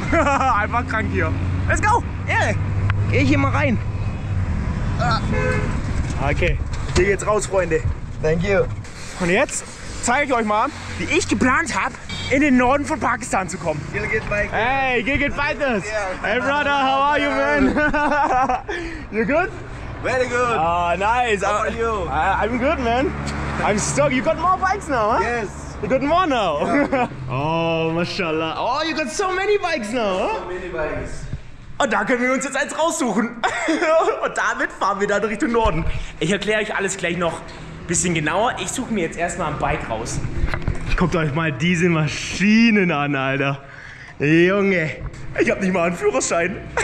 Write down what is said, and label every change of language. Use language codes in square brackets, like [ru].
[de] Einfach krank hier. [en] Let's go. Yeah. [de] Geh ich hier mal rein. Okay. Hier geht's raus, Freunde. [en] Thank you. [de] Und jetzt zeige ich euch mal, wie ich geplant habe, in den Norden von Pakistan zu kommen. [en] Hey, Gilgit Baltas. Hey, brother, how are you, man? You good? Very good. Ah, nice. How are you? I'm good, man. I'm stoked. You got more bikes now, huh? Yes. You got more now? Yeah. Oh, mashallah. Oh, you got so many bikes now, huh? So many bikes. [de] Und da können wir uns jetzt eins raussuchen. Und damit fahren wir dann Richtung Norden. Ich erkläre euch alles gleich noch ein bisschen genauer. Ich suche mir jetzt erstmal ein Bike raus. Guckt euch mal diese Maschinen an, Alter. Junge, ich habe nicht mal einen Führerschein.